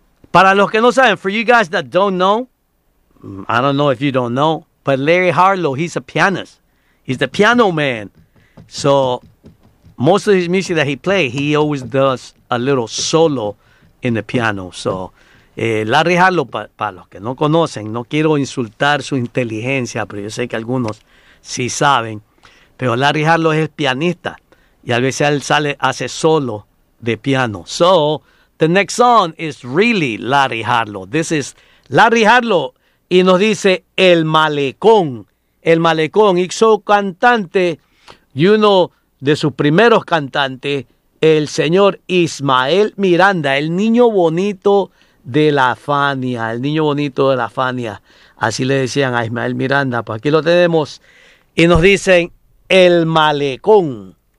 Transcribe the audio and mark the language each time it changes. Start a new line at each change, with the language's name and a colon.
Spanish: Para los que no saben,
English: for you guys that don't know, I don't know if you don't know, but Larry Harlow, he's a pianist. He's the piano man. So most of his music that he plays, he always does a little solo in the piano.
Spanish: So Larry Harlow, para los que no conocen, no quiero insultar su inteligencia, pero yo sé que algunos sí saben. Pero Larry Harlow es pianista y a veces él sale, hace solo de piano.
English: So the next song is really Larry Harlow. This is Larry Harlow
Spanish: y nos dice El Malecón. El Malecón hizo cantante y uno de sus primeros cantantes, el señor Ismael Miranda, el niño bonito de la Fania, el niño bonito de la Fania. Así le decían a Ismael Miranda. Pues aquí lo tenemos y nos dicen El Malecón.